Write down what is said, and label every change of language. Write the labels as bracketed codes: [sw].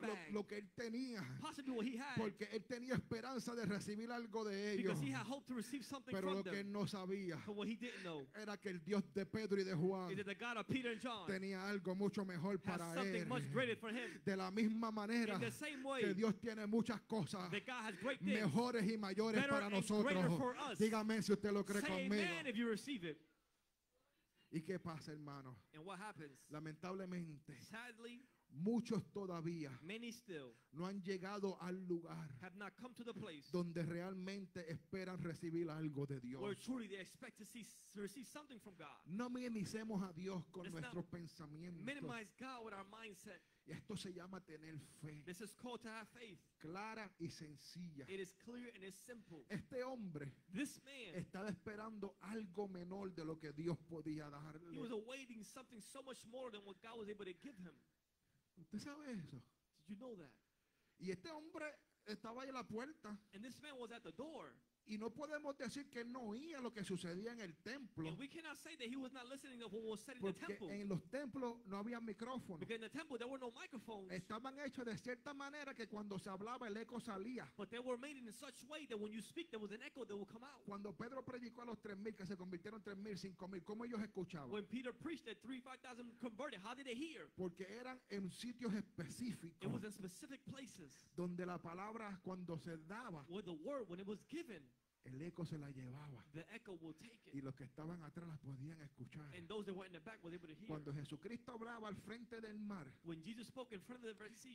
[es] Lo que él tenía. Porque él tenía esperanza de recibir algo de ellos. Pero lo que él no sabía era que el Dios de Pedro y de Juan [en] is it the God of Peter and John [es] tenía algo mucho mejor para [en] has something [es] él. [en] Much greater for him. [es] De la misma manera [en] in the same way [es] que Dios tiene muchas cosas [en] that God has great things, [es] mejores y mayores [en] better [es] para [en] and [es] nosotros. [en] Greater for us. [es] Dígame si usted lo cree [en] say [es] conmigo. [en] Amen if you receive it. [es] ¿Y qué pasa, hermano? [en] And what happens? [es] Lamentablemente, [en] sadly, [es] muchos todavía [en] many still [es] no han llegado al lugar [en] have not come to the place [es] donde realmente esperan recibir algo de Dios. [en] Where truly they expect to see, to receive something from God. [es] No minimicemos a Dios con let's nuestros pensamientos. [en] Minimize God with our mindset. [es] Y esto se llama tener fe. [en] This is called to have faith. [es] Clara y sencilla. [en] It is clear and it's simple. [es] Este hombre [en] this man [es] estaba esperando algo menor de lo que Dios podía darle. [en] He was awaiting something so much more than what God was able to give him. [es] ¿Usted sabe eso? [en] Did you know that? [es] Y este hombre estaba ahí a la puerta. [en] And this man was at the door. [es] Y no podemos decir que no oía lo que sucedía en el templo. [en] And we cannot say that he was not listening to what was said [es] porque [en] in the temple. [es] En los templos no había micrófono. [en] Because in the temple there were no microphones. [es] Estaban hechos de cierta manera que cuando se hablaba el eco salía. [en] But they were made in such way that when you speak there was an echo that would come out. [es] Cuando Pedro predicó a los 3,000 que se convirtieron 3,000, 5,000, ¿cómo ellos escuchaban? [en] When Peter preached that 3,000, 5,000 converted, how did they hear? [es] Porque eran en sitios específicos. [en] It was in specific places. [es] Donde la palabra cuando se daba. [en] Where the word when it was given. [es] El eco se la llevaba. [en] The echo will take it. [es] Y los que estaban atrás las podían escuchar. [en] And those that were in the back were able to hear. [es] Cuando Jesucristo hablaba al frente del mar. [en] When Jesus spoke in front of the Red Sea.